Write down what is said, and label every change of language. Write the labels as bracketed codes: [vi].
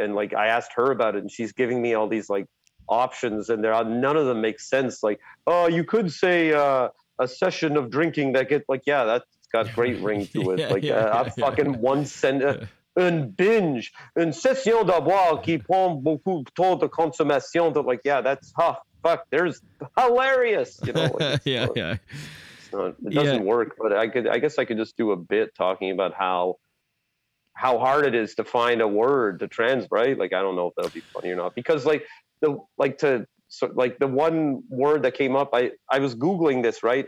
[en] And like I asked her about it, and she's giving me all these like options, and none of them make sense. Like, oh, you could say a session of drinking that gets like, yeah, that's got great ring to it. One sentence. [fr] Un binge, une session de boire qui prend beaucoup de temps de consommation. [en] They're like, yeah, that's, ha, huh, fuck, there's hilarious. You know, like, it doesn't work, but I guess I could just do a bit talking about how hard it is to find a word to translate. Like, I don't know if that'll be funny or not, because the one word that came up, I was Googling this, right?